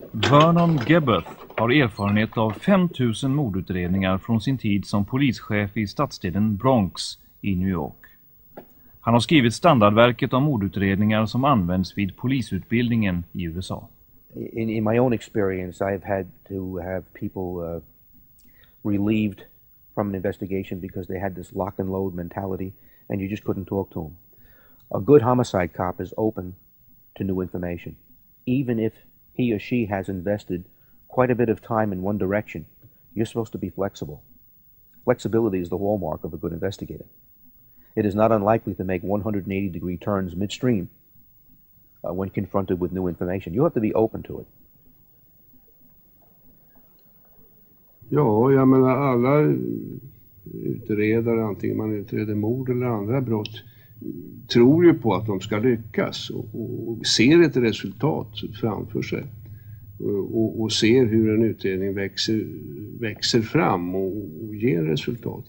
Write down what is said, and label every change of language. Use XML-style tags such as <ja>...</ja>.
<sv>Vernon Geberth har erfarenhet av 5000 mordutredningar från sin tid som polischef i stadsdelen Bronx i New York. Han har skrivit standardverket om mordutredningar som används vid polisutbildningen i USA.</sv> <en>In my own experience, I've had to have people relieved from an investigation because they had this lock and load mentality and you just couldn't talk to them. A good homicide cop is open to new information, even if he or she has invested quite a bit of time in one direction. You're supposed to be flexible. Flexibility is the hallmark of a good investigator. It is not unlikely to make 180-degree turns midstream when confronted with new information. You have to be open to it.</en> <sv>Ja, jag menar, alla utredare, antingen man utreder mord eller andra brott, tror ju på att de ska lyckas och ser ett resultat framför sig. Och ser hur en utredning växer fram och ger resultat.</sv>